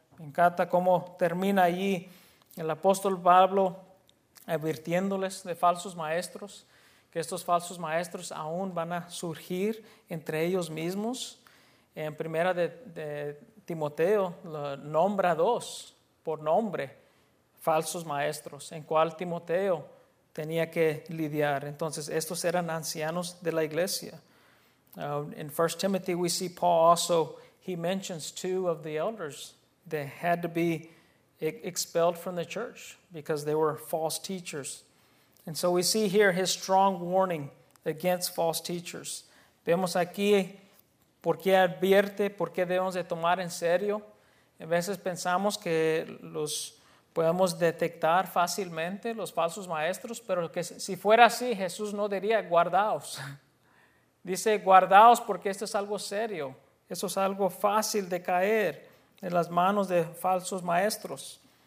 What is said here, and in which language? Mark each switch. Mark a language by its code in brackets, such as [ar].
[es] Me encanta cómo termina allí el apóstol Pablo advirtiéndoles de falsos maestros, que estos falsos maestros aún van a surgir entre ellos mismos. En primera de Timoteo nombra 2 por nombre falsos maestros en cual Timoteo tenía que lidiar. Entonces estos eran ancianos de la iglesia. [en] In 1 Timothy we see Paul also, he mentions 2 of the elders that had to be expelled from the church because they were false teachers. And so we see here his strong warning against false teachers. [es] Vemos aquí, ¿por qué advierte? ¿Por qué debemos de tomar en serio? A veces pensamos que los podemos detectar fácilmente, los falsos maestros, pero que si fuera así, Jesús no diría guardaos. Dice guardaos porque esto es algo serio. Eso es algo fácil de caer en las manos de falsos maestros.